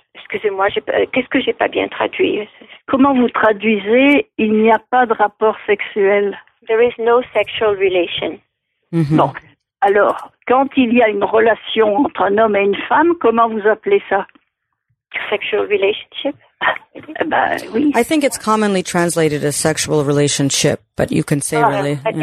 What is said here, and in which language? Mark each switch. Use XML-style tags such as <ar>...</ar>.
<fr>Qu'est-ce que j'ai pas bien traduit? Comment vous traduisez il n'y a pas de rapport sexuel?</fr> <en>There is no sexual relation. Mm-hmm. Bon.</en> <fr>Alors, quand il y a une relation entre un homme et une femme, comment vous appelez ça?</fr> <en>Sexual relationship?</en> <fr>Ben, oui.</fr> <en>I think it's commonly translated as sexual relationship, but you can say really.</en>